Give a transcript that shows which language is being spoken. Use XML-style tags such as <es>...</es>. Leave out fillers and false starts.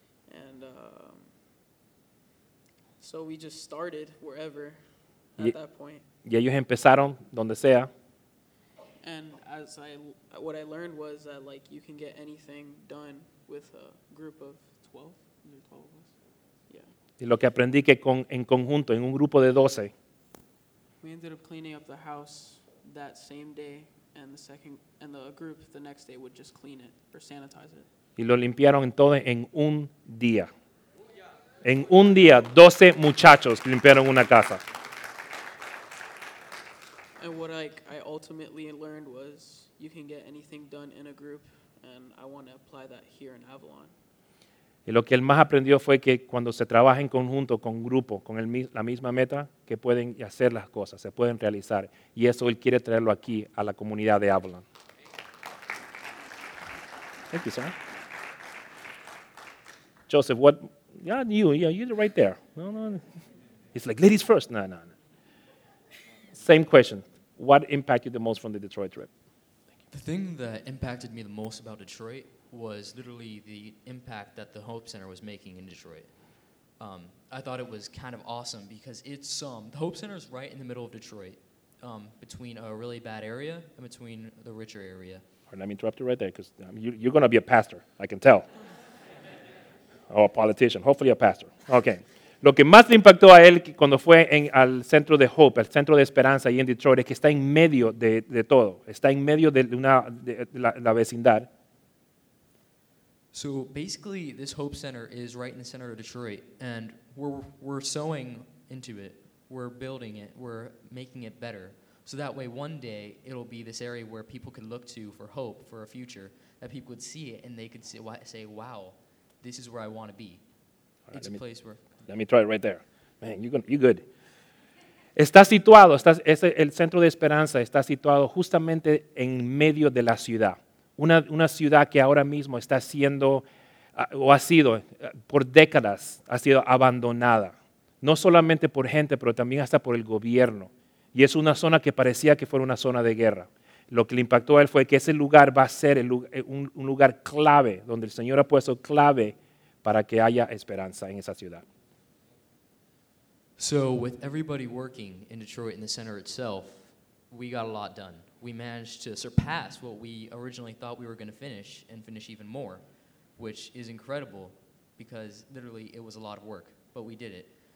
<en>And so we just started wherever at that point.</en> <es>Y ellos empezaron donde sea.</es> <en>And as I, what I learned was that like you can get anything done with a group of 12. 12 of us. Yeah.</en> <es>Y lo que aprendí que con en conjunto en un grupo de 12.</es> <en>We ended up cleaning up the house that same day, and the second and the group the next day would just clean it or sanitize it.</en> <es>Y lo limpiaron todo en un día. En un día, 12 muchachos limpiaron una casa.</es> <en>And what I ultimately learned was you can get anything done in a group, and I want to apply that here in Avalon.</en> <es>Y lo que él más aprendió fue que cuando se trabaja en conjunto, con grupo, con la misma meta, que pueden hacer las cosas, se pueden realizar. Y eso él quiere traerlo aquí a la comunidad de Avalon.</es> <en>Thank you, sir. Joseph, what? Yeah, you. Yeah, you're right there. No, no. It's like ladies first. No, no, no. Same question. What impacted you the most from the Detroit trip? The thing that impacted me the most about Detroit was literally the impact that the Hope Center was making in Detroit. I thought it was kind of awesome because it's the Hope Center is right in the middle of Detroit, between a really bad area and between the richer area. Right, let me interrupt you right there because you're going to be a pastor, I can tell. Or a politician, hopefully a pastor. Okay.</en> <es>Lo que más le impactó a él cuando fue al centro de Hope, al centro de Esperanza ahí en Detroit, es que está en medio de todo. Está en medio de la vecindad.</es> <en>So basically, this Hope Center is right in the center of Detroit, and we're sowing into it. We're building it. We're making it better. So that way, one day, it'll be this area where people could look to for hope, for a future, that people would see it, and they could say, wow, this is where I want to be. Right, it's a place where... Let me try it right there. Man, you're good.</en> <es>Está situado, el Centro de Esperanza está situado justamente en medio de la ciudad. Una ciudad que ahora mismo está siendo, o ha sido, por décadas, ha sido abandonada. No solamente por gente, pero también hasta por el gobierno. Y es una zona que parecía que fuera una zona de guerra. Lo que le impactó a él fue que ese lugar va a ser un lugar clave, donde el Señor ha puesto clave para que haya esperanza en esa ciudad.</es> <en>So with everybody working in Detroit in the center itself, we got a lot done. We managed to surpass what we originally thought we were going to finish and finish even more, which is incredible because literally it was a lot of work, but we did it.</en>